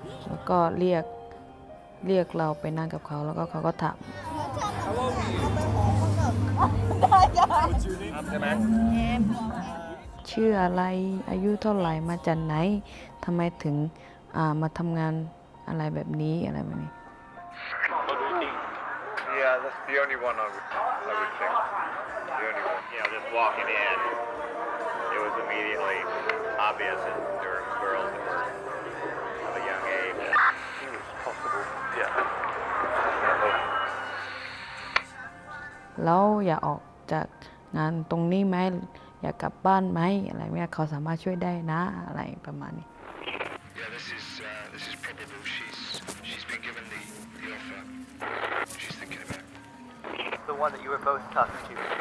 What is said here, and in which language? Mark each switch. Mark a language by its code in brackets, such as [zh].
[th] แล้วก็เรียกเราไปนั่งกับเขาแล้วก็เขาก็ถาม เราไปหอมกันแบบได้ยังชื่ออะไรอายุเท่าไหร่มาจากไหนทำไมถึงมาทำงานอะไรแบบนี้อะไรแบบนี้ [en] Yeah, that's the only one I would think. The only one. You know, just walking in. It was immediately obvious that there were girls that were of a young age. It was possible. Yeah. [th] แล้วอยากออกจากงานตรงนี้ไหมอยากกลับบ้านไหมอะไรเนี่ยเขาสามารถช่วยได้นะอะไรประมาณนี้ [en] Yeah, this is probably she's been given the offer. She's thinking about the one that you were both talking to.